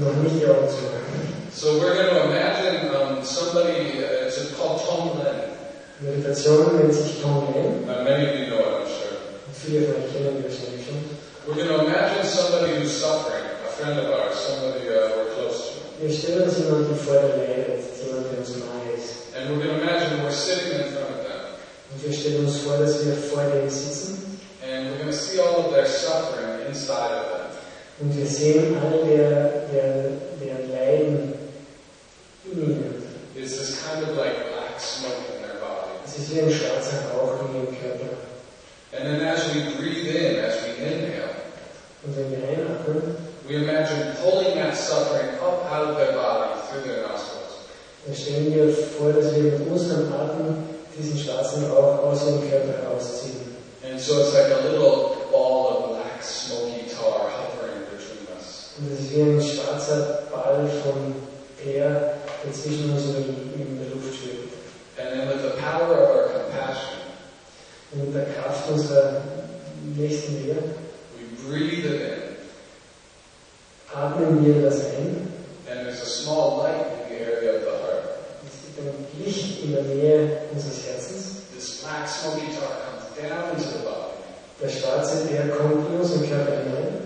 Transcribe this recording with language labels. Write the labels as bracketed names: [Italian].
[German] Noch nicht die Augen zu machen. [English] So we're going to imagine somebody, is it called Tom Lennon? [German] Meditation nennt sich Tom Lennon. [English] Many of you know it, I'm sure. [German] Viele von euch kennen das schon. [English] We're going to imagine somebody who's suffering, a friend of ours, somebody we're close to. [German] Wir stellen uns jemanden vor, der leidet, jemanden, der uns nahe ist. [English] And we're going to imagine we're sitting in front of them. [German] Und wir stellen uns vor, dass wir vor denen sitzen. [English] And we're going to see all of their suffering inside of them. [German] Und wir sehen alle der Leiden in ihnen. [English] It's this kind of like black smoke in their body. [German] Es ist wie ein schwarzer Rauch in ihrem Körper. [English] And then as we breathe in, as we inhale, [German] und wenn wir einatmen, [English] we imagine pulling that suffering up out of their body through their nostrils. [German] Dann stellen wir vor, dass wir mit unserem Atem diesen schwarzen Rauch aus ihrem Körper herausziehen. [English] And so it's like a little ball of black smoky tar hovering between us. [German] Und es ist wie ein schwarzer Ball von Teer, der zwischen uns in der Luft schwebt. [English] And then with the power of our compassion, [German] und mit der Kraft unserer nächsten Liebe, [English] we breathe it in. [German] Atmen wir das ein. [English] And there's a small light in the area of the heart. [German] Es gibt ein Licht in der Nähe unseres Herzens. [English] This black smoky tar comes down into the body. [German] Der schwarze Teer kommt in unseren Körper hinein.